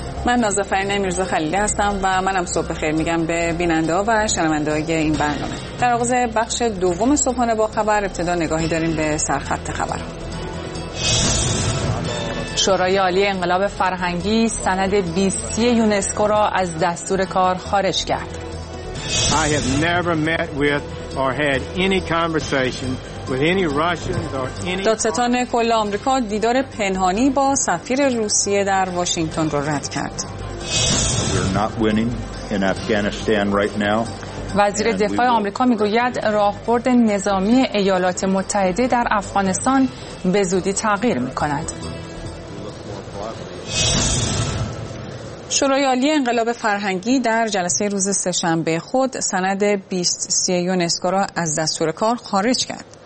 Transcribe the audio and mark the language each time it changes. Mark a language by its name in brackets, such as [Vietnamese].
[Persian] من نازفرین میرزا خلیلی هستم و منم صبح بخیر میگم به بیننده ها و شنونده های این برنامه. در آغاز بخش دوم صبحانه با خبر، ابتدا نگاهی داریم به سرخط خبر. شورای عالی انقلاب فرهنگی سند 20 یونسکو را از دستور کار خارج کرد. [English] I have never met with or had any conversation with any Russians or any. [Persian] دادستان کل آمریکا دیدار پنهانی با سفیر روسیه در واشنگتن را رد کرد. [English] We're not winning in Afghanistan right now. [Persian] وزیر دفاع آمریکا میگوید راهبرد نظامی ایالات متحده در افغانستان به زودی تغییر میکند. شورای عالی انقلاب فرهنگی در جلسه روز سه‌شنبه خود سند 20-30 یونسکو را از دستور کار خارج کرد.